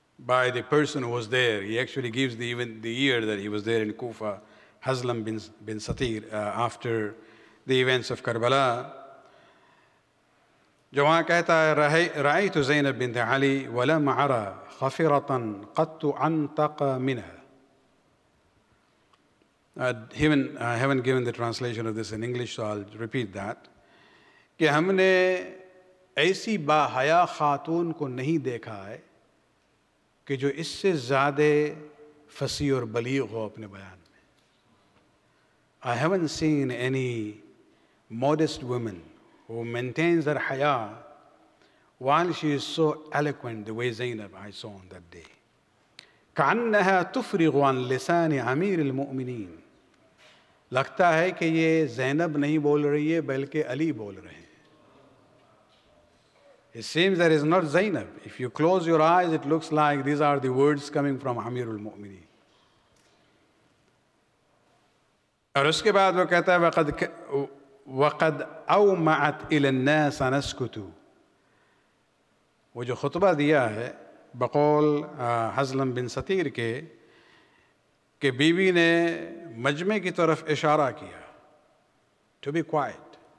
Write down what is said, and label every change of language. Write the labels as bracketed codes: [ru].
[en] by the person who was there, he actually gives the even the year that he was there in Kufa, Hazlam bin Satir, after the events of Karbala, [ur] جو وہاں کہتا ہے [ar] رأيت زینب بنت علی ولم أرى خفرة قط أنطق منها. [en] I haven't given the translation of this in English, so I'll repeat that. [ur] کہ ہم نے ایسی باحیا خاتون کو نہیں دیکھا ہے کہ جو اس سے زیادہ فصیح اور بلیغ ہو اپنے بیان میں. [en] I haven't seen any modest woman who maintains her haya while she is so eloquent the way Zainab I saw on that day. [ar] كأنها تفرغ عن لسان امیر المؤمنین. [ur] لگتا ہے کہ یہ زینب نہیں بول رہی ہے بلکہ علی بول رہے ہیں. [en] It seems that it's not Zainab. If you close your eyes, it looks like these are the words coming from Amirul Mu'mineen. [ur] اور اس کے بعد وہ کہتا ہے [ar] وَقَدْ أَوْمَعَتْ إِلَى النَّاسَ نَسْكُتُ. [ur] وہ جو خطبہ دیا ہے بقول حزلم بن سطیر کے, کہ بی بی نے مجمع کی طرف اشارہ کیا, [en] to be quiet.